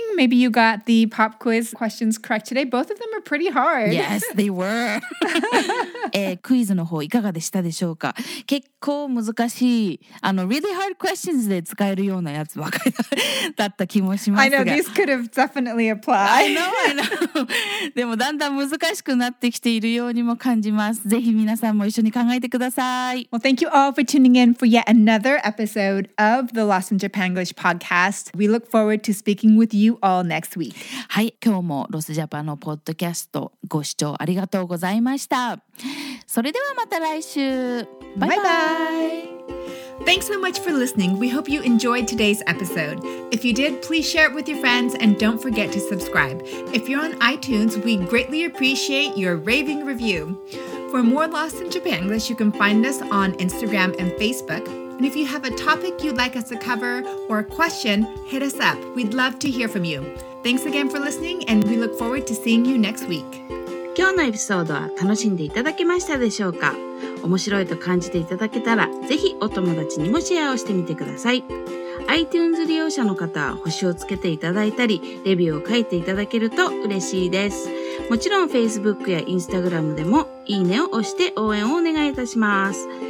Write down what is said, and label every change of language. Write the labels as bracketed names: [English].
[English] Maybe you got the pop quiz questions correct today. Both of them are pretty hard. Yes, they were. [Japanese] 、クイズの方いかがでしたでしょうか。結構難しい、 [English] really hard questions [Japanese] で使えるようなやつばかりだった気もしますが。 [English] I know, these could have definitely applied. I know. [Japanese] でもだんだん難しくなってきているようにも感じます。ぜひ皆さんも一緒に考えてください。 [English] Well, thank you all for tuning in for yet another episode of the Lost in Japan English podcast. We look forward to speaking with you all next week. [Japanese] はい、今日もロスジャパンのポッドキャストご視聴ありがとうございました。それではまた来週。バイバイ。バイバイ。 [English] Thanks so much for listening. We hope you enjoyed today's episode. If you did, please share it with your friends and don't forget to subscribe. If you're on iTunes, we greatly appreciate your raving review. For more Lost in Japanglish, you can find us on Instagram and Facebook. And if you have a topic you'd like us to cover or a question, hit us up. We'd love to hear from you. Thanks again for listening and we look forward to seeing you next week. [Japanese] 今日のエピソードは楽しんでいただけましたでしょうか?面白いと感じていただけたら、ぜひお友達にもシェアをしてみてください。 iTunes 利用者の方は星をつけていただいたり、レビューを書いていただけると嬉しいです。もちろん Facebook や Instagram でもいいねを押して応援をお願いいたします。